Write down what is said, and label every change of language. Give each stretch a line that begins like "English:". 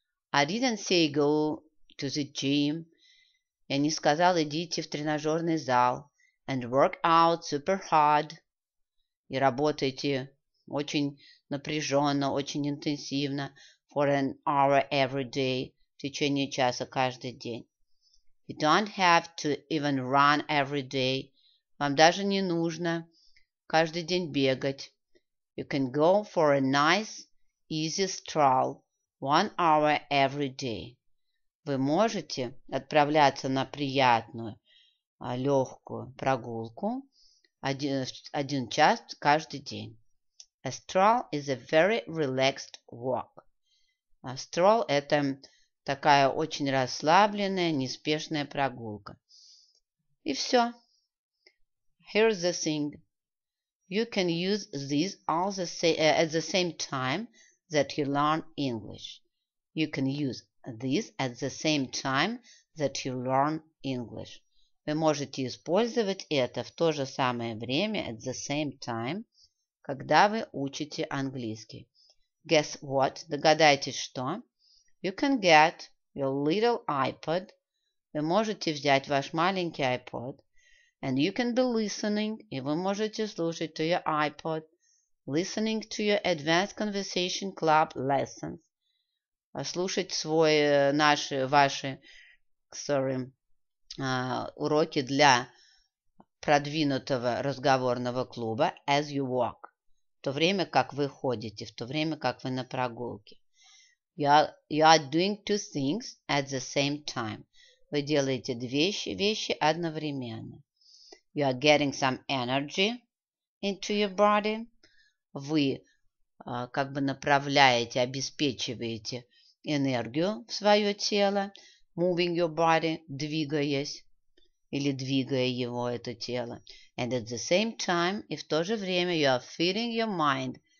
English: I didn't say go to the gym.
Russian: Я не сказал, идите в тренажерный зал.
English: And work out super hard.
Russian: И работайте очень напряженно, очень интенсивно.
English: For an hour every day.
Russian: В течение часа, каждый день.
English: You don't have to even run every day.
Russian: Вам даже не нужно каждый день бегать.
English: You can go for a nice, easy stroll 1 hour every day.
Russian: Вы можете отправляться на приятную, легкую прогулку один час каждый день.
English: A stroll is a very relaxed walk.
Russian: A stroll – это такая очень расслабленная, неспешная прогулка. И все.
English: Here's the thing. You can use these all the at the same time that you learn English. You can use these at the same time that you learn English.
Russian: Вы можете использовать это в то же самое время,
English: at the same time,
Russian: когда вы учите английский.
English: Guess what?
Russian: Догадайтесь, что?
English: You can get your little iPod.
Russian: Вы можете взять ваш маленький iPod.
English: And you can be listening,
Russian: и вы можете слушать
English: to your iPod, listening to your Advanced Conversation Club lessons,
Russian: слушать свои, наши, ваши, sorry, уроки для продвинутого разговорного клуба
English: as you walk,
Russian: в то время, как вы ходите, в то время, как вы на прогулке.
English: You are doing two things at the same time.
Russian: Вы делаете вещи одновременно.
English: You are getting some energy into your body.
Russian: Вы как бы направляете, обеспечиваете энергию в свое тело.
English: Moving your body,
Russian: двигаясь или двигая его, это тело.
English: And at the same time,
Russian: и в то же время,
English: you are feeding your mind.